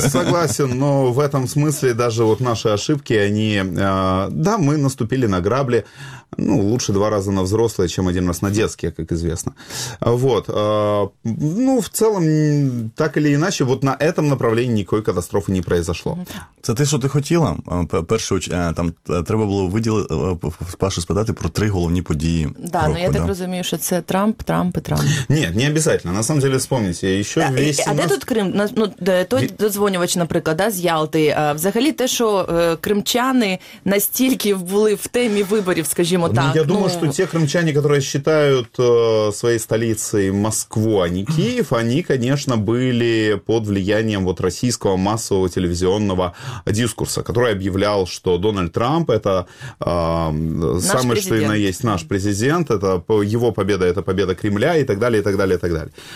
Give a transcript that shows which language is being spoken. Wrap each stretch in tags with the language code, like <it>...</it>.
<ru>Согласен, но в этом смысле даже вот наши ошибки, они... Да, мы наступили на грабли. Ну, лучше 2 раза на взрослые, чем 1 раз на детские, как известно. Вот. Ну, в целом, так или иначе, вот на этом направлении никакой катастрофы не произошло.</ru> <uk>Це те, що ти хотіла. Перше, там треба було виділити, Паша, спитати про 3 головні події. Да, року, но я так розумію, що це Трамп, Трамп і Трамп. Ні, не обов'язково.</uk> <ru>На самом деле,</ru> <uk>вспомніть, ще весь... А де тут Крим? Ну, той дозвонювач, наприклад, да, з Ялти. Взагалі те, що кримчани настільки були в темі виборів, скажімо, так,</uk> <ru>я думаю, что те крымчане, которые считают своей столицей Москву, а не Киев, они, конечно, были под влиянием вот российского массового телевизионного дискурса, который объявлял, что Дональд Трамп это самый что и на есть наш президент, это его победа, это победа Кремля и так далее, и так далее, и так далее.</ru>